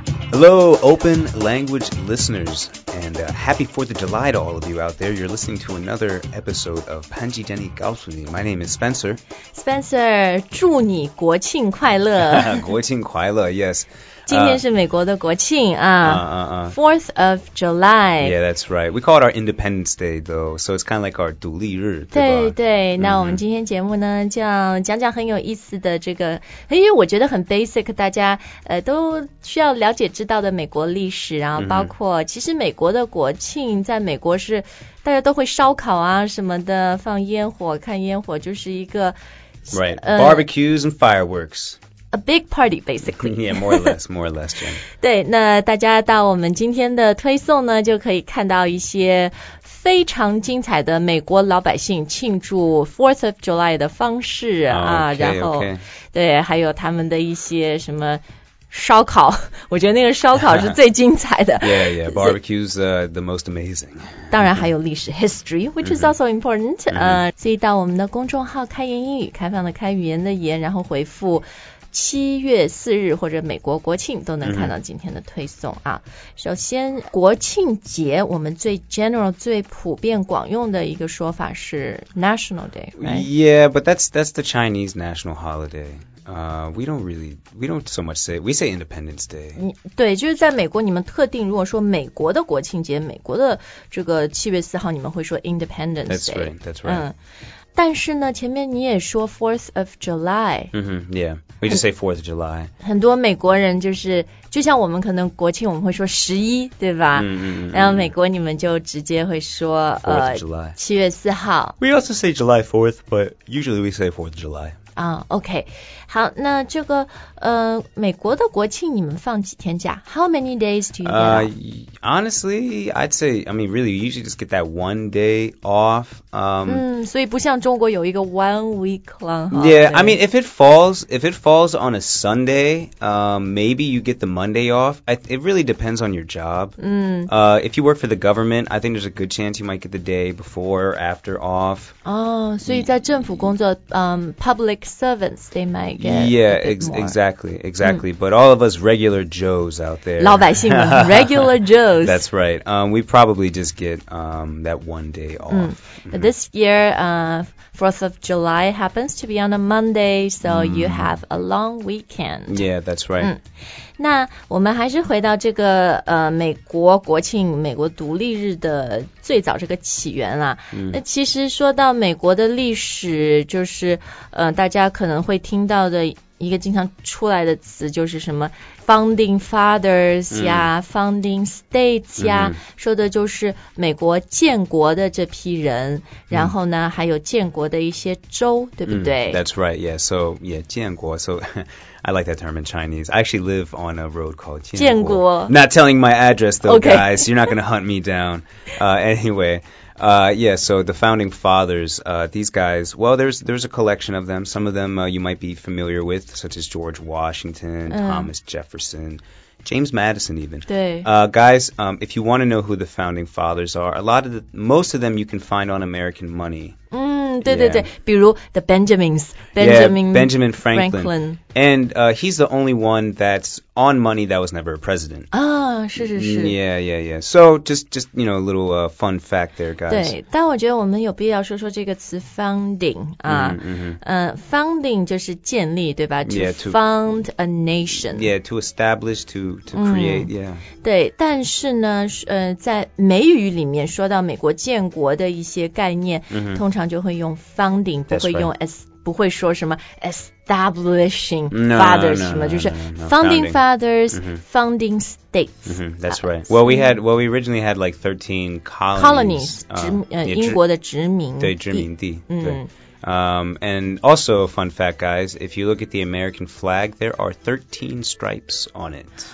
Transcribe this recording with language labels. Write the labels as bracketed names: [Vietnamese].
[English] Hello, Open Language listeners, and happy 4th of July to all of you out there. You're listening to another episode of 潘吉杰里告诉你. My name is Spencer. [Chinese] Spencer, 祝你国庆快乐。国庆快乐, yes. 今天是美国的国庆啊 4th of July. [English] Yeah, that's right. We call it our Independence Day, though. So it's kind of like our [Chinese] 独立日，对吧？对对，那我们今天节目呢，就要讲讲很有意思的这个，因为我觉得很 basic， 大家都需要了解知道的美国历史，然后包括其实美国的国庆在美国是大家都会烧烤啊什么的，放烟火，看烟火，就是一个 [English] right barbecues and fireworks. A big party, basically. Yeah, more or less, more or less, Jen. [Chinese] 对，那大家到我们今天的推送呢，就可以看到一些非常精彩的美国老百姓庆祝 4th of July 的方式啊， [English] okay, [Chinese] 然后、 [English] okay. [Chinese] 对，还有他们的一些什么烧烤，我觉得那个烧烤是最精彩的。 [English] yeah, yeah, barbecues the most amazing. [Chinese] 当然还有历史 [English] history, which is also important. [Chinese] 所以到我们的公众号开言英语，开放的开，语言的言，然后回复七月四日或者美国国庆都能看到今天的推送啊。首先国庆节我们最 general 最普遍广用的一个说法是 National Day、right? [English] Yeah, but that's the Chinese national holiday、We don't so much say We say Independence Day [Chinese] 对就是在美国你们特定如果说美国的国庆节美国的这个七月四号你们会说 Independence Day [English] That's right、 [Chinese] 但是呢前面你也说 4th of July、 [English] mm-hmm, Yeah, we just say 4th of July [Chinese] 很多美国人就是就像我们可能国庆我们会说十一对吧、 mm-hmm. 然后美国你们就直接会说 [English] 4th of July [Chinese] 7月4号 [English] We also say July 4th but usually we say 4th of July [Chinese] OK 好那这个美国的国庆你们放几天假 [English] How many days do you get off? Honestly, I'd say, I mean, really, you usually just get that one day off. [Chinese] 所以不像中国有一个 [English] 1 week long holiday. Yeah, I mean, if it falls on a Sunday, maybe you get the Monday off. It really depends on your job. If you work for the government, I think there's a good chance you might get the day before or after off. [Chinese] 所以在政府工作 [English] public servants, they might get Exactly. But all of us regular Joes out there. [Chinese] 老百姓们 regular Joes. [English] That's right. We probably just get that one day off. But this year, 4th of July happens to be on a Monday, so you have a long weekend. Yeah, that's right. [Chinese] 那我们还是回到这个美国国庆美国独立日的最早这个起源啦、那其实说到美国的历史就是大家可能会听到的一个经常出来的词就是什么 founding fathers 呀、founding states 呀、说的就是美国建国的这批人、然后呢还有建国的一些州对不对、 [English] That's right, yeah, so yeah, 建国 so I like that term in Chinese. I actually live on a road called [Chinese] 建国 [English] Not telling my address though, guys. You're not going to hunt me down. Anyway, yeah, so the founding fathers, these guys, well, there's a collection of them. Some of them you might be familiar with, such as George Washington, Thomas Jefferson, James Madison even. Guys, if you want to know who the founding fathers are, most of them you can find on American money. [Chinese] 对对对、比如 the Benjamins, [English] Benjamin Franklin. And he's the only one that's on money that was never a president. [Chinese] 是是是。 [English] Yeah. So just, you know, a little fun fact there, guys. [Chinese] 对，但我觉得我们有必要说说这个词 founding. Founding 就是建立，对吧？ [English] To found a nation. Yeah, to establish, to create, yeah. [Chinese] 对，但是呢，在美语里面说到美国建国的一些概念，通常就会用 founding, 不会用 establish. 不会说什么 establishing fathers 什么，就是 founding fathers, founding states. [English] That's right. Well, we originally had like 13 colonies. [Chinese] 英国的殖民地。对，殖民地。 [English] And also, fun fact, guys, if you look at the American flag, there are 13 stripes on it.